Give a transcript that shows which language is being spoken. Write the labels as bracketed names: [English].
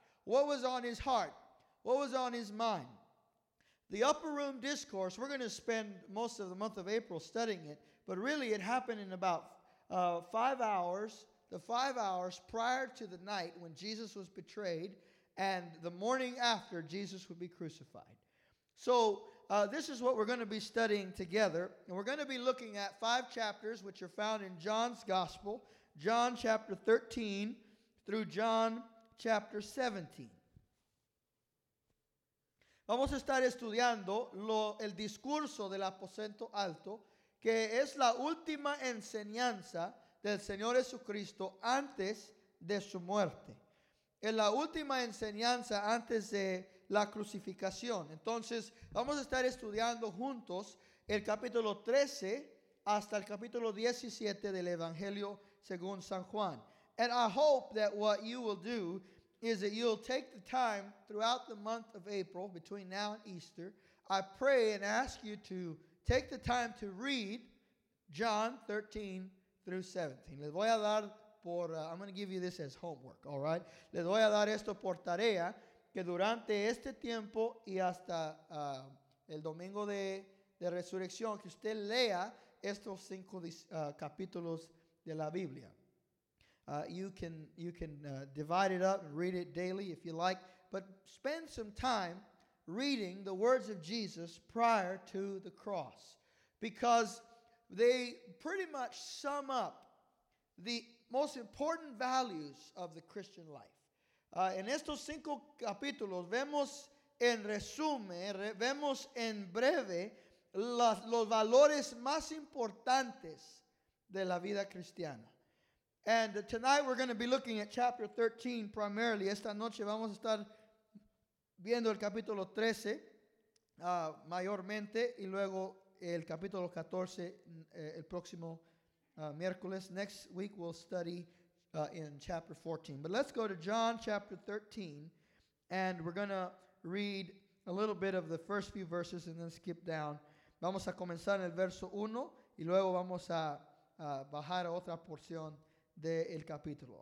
[English] What was on his heart? What was on his mind? The upper room discourse, we're going to spend most of the month of April studying it, but really it happened in about 5 hours, the 5 hours prior to the night when Jesus was betrayed and the morning after Jesus would be crucified. So this is what we're going to be studying together. And we're going to be looking at five chapters, which are found in John's Gospel, John chapter 13 through John chapter 17. [Spanish] Vamos a estar estudiando el discurso del aposento alto, que es la última enseñanza del Señor Jesucristo antes de su muerte. En la última enseñanza antes de la crucificación. Entonces, vamos a estar estudiando juntos el capítulo 13 hasta el capítulo 17 del Evangelio según San Juan. [English] And I hope that what you will do is that you'll take the time throughout the month of April, between now and Easter, I pray and ask you to take the time to read John 13 through 17. [Spanish] Les voy a dar [English] I'm going to give you this as homework, all right? [Spanish] Les voy a dar esto por tarea, que durante este tiempo y hasta el domingo de resurrección, que usted lea estos cinco capítulos de la Biblia. [English] You can divide it up and read it daily if you like, but spend some time reading the words of Jesus prior to the cross, because they pretty much sum up the most important values of the Christian life. [Spanish] En estos cinco capítulos vemos en resumen, vemos en breve los valores más importantes de la vida cristiana. [English] And tonight we're going to be looking at chapter 13 primarily. [Spanish] Esta noche vamos a estar viendo el capítulo 13 mayormente y luego el capítulo 14 el próximo miércoles. [English] Next week we'll study in chapter 14. But let's go to John chapter 13, and we're going to read a little bit of the first few verses and then skip down. [Spanish] Vamos a comenzar en el verso 1 y luego vamos a bajar a otra porción del capítulo.